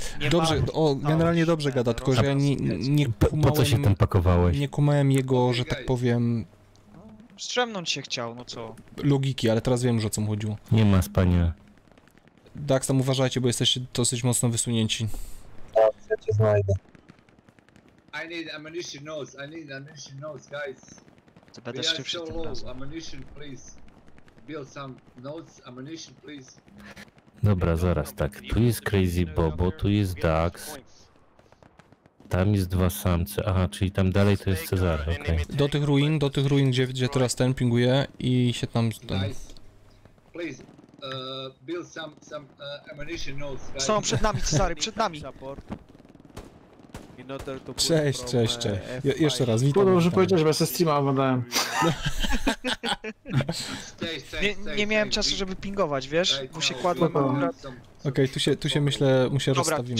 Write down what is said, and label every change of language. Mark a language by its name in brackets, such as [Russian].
[Polish] Dobrze, o, generalnie dobrze gada, tylko że ja nie kumałem... Po co się tam pakowałeś? Nie kumałem jego, że tak powiem... Strzemnąć się chciał, no co? Logiki, ale teraz wiem, że o co mu chodziło. Nie ma spania. Dax, tam uważajcie, bo jesteście dosyć mocno wysunięci. Tak, ja cię znajdę. [English] I need ammunition nodes, guys. [Polish] Będę [English] we are so low. Ammunition, please. Build some notes. Ammunition, please. [Polish] Dobra, zaraz, tak. Tu jest Crazy Bobo, tu jest Dax. Tam jest dwa samce. Aha, czyli tam dalej to jest Cezary, okej. [English] Okay. [Polish] Do tych ruin, gdzie teraz ten pinguje i się tam... [English] Please, build some ammunition notes, guys. [Polish] Są przed nami, Cezary, przed nami. Cześć. Jeszcze raz, witam. Podobno, że powiedziałeś, że bez streama oglądałem. Nie miałem czasu, żeby pingować, wiesz? Bo się kładłem na górę. Okej, tu się myślę, mu się rozstawimy.